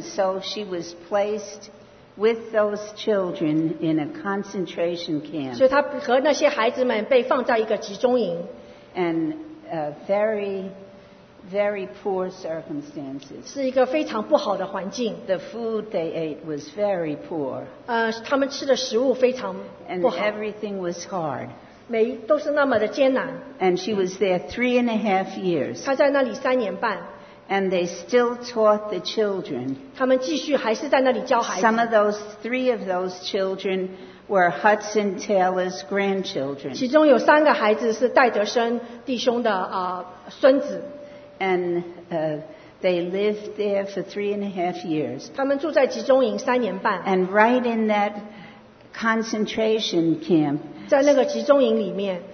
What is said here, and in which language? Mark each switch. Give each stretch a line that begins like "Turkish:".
English: And so she was placed with those children in a concentration camp.
Chinese: 所以她和那些孩子们被放在一个集中营。
English: And very, very poor circumstances.
Chinese: 是一个非常不好的环境。
English: The food they ate was very poor.
Chinese: 他们吃的食物非常不好。
English: And everything was hard.
Chinese: 都是那么的艰难。
English: And she was there 3.5 years.
Chinese: 她在那里三年半。
English: And they still taught the children.
Chinese: 他们继续还是在那里教孩子。
English: Some of those, three of those children were Hudson Taylor's grandchildren.
Chinese: 其中有三个孩子是戴德生弟兄的孙子。
English: And they lived there for 3.5 years.
Chinese: 他们住在集中营三年半。
English: And right in that concentration camp,
Chinese: 在那个集中营里面